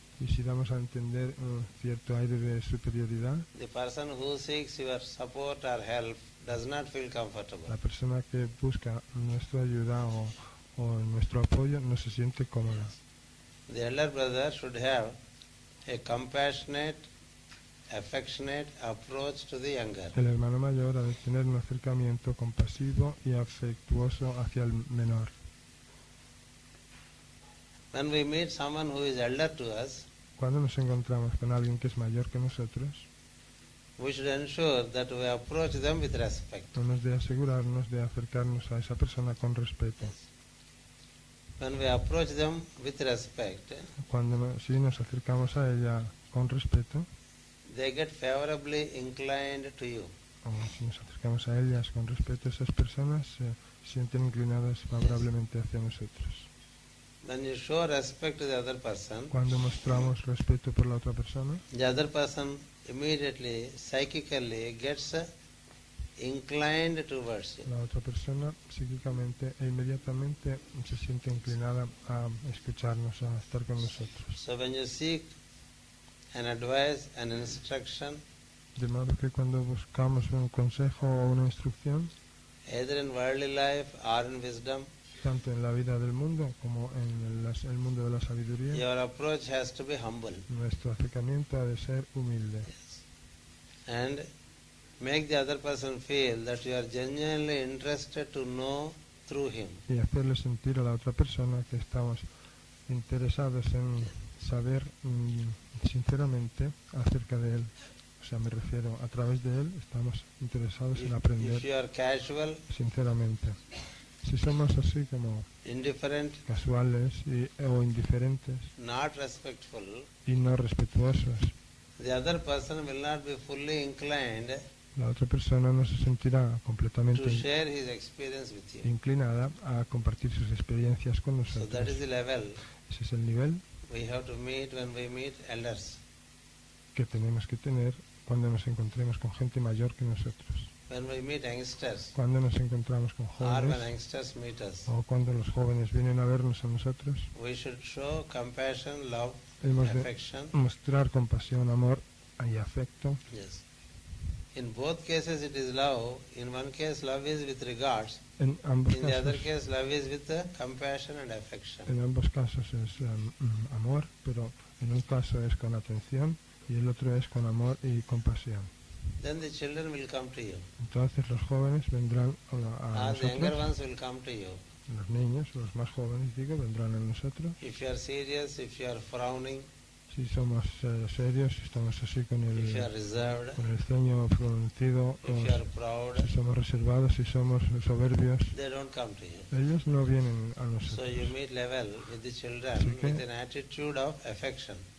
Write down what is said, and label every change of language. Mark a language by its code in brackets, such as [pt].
[es] Y si damos a entender un cierto aire de superioridad, [en] the person who seeks your support or help does not feel comfortable. [es] La persona que busca nuestra ayuda o nuestro apoyo no se siente cómoda. [en] The elder brother should have a compassionate, affectionate approach to the younger. [es] El hermano mayor ha de tener un acercamiento compasivo y afectuoso hacia el menor. [en] When we meet someone who is elder to us, [es] cuando nos encontramos con alguien que es mayor que nosotros, [en] we should ensure that we approach them with respect. [es] Hemos de asegurarnos de acercarnos a esa persona con respeto. [en] Yes. When we approach them with respect, [es] cuando si nos acercamos a ella con respeto, [en] they get favorably inclined to you. [es] Si nos acercamos a ellas con respeto, esas personas se sienten inclinadas favorablemente yes. hacia nosotros. [en] When you show respect to the other person, [es] cuando mostramos respeto por la otra persona, [en] the other person immediately, psychically gets inclined towards you. [es] La otra persona psíquicamente e inmediatamente se siente inclinada a escucharnos, a estar con nosotros. [en] So when you seek an advice, an instruction, [es] de modo que cuando buscamos un consejo o una instrucción, [en] either in worldly life or in wisdom, [es] tanto en la vida del mundo como en el mundo de la sabiduría, [en] your approach has to be humble. [es] Nuestro acercamiento ha de ser humilde. [en] Yes. And make the other person feel that you are genuinely interested to know through him. [es] Y hacerle sentir a la otra persona que estamos interesados en saber sinceramente acerca de él. O sea, me refiero, a través de él estamos interesados [en] if, [es] en aprender [en] if you are casual, [es] sinceramente. Si somos así como casuales o indiferentes, [en] not respectful, [es] y no respetuosos, [en] the other person will not be fully inclined, [es] la otra persona no se sentirá completamente [en] to share his experience with you. [es] Inclinada a compartir sus experiencias con nosotros. [en] So that is the level. [es] Ese es el nivel [en] we have to meet when we meet elders. [es] Que tenemos que tener cuando nos encontremos con gente mayor que nosotros. [en] When we meet youngsters, [es] cuando nos encontramos con jóvenes, [en] or when youngsters meet us, [es] o cuando los jóvenes vienen a vernos a nosotros, [en] we should show compassion, love, [es] hemos de [en] affection. [es] Mostrar compasión, amor y afecto. [en] Yes. In both cases it is love. In one case love is with regards. [es] En ambos [en] in [es] casos, [en] the other case love is with compassion and affection. [es] En ambos casos es amor, pero en un caso es con atención y el otro es con amor y compasión. [en] Then the children will come to you. [es] Entonces los jóvenes vendrán a nosotros. [en] The younger ones will come to you. [es] Los niños, los más jóvenes, digo, vendrán a nosotros. [en] If you are serious, if you are frowning, [es] si somos serios, si estamos así con el, [en] if you are reserved, [es] con el ceño fruncido, [en] if you are proud, [es] si somos reservados, si somos soberbios, [en] they don't come to you. [es] Ellos no vienen a nosotros. [en] So you meet level with the children [es] así que, [en] with an attitude of affection.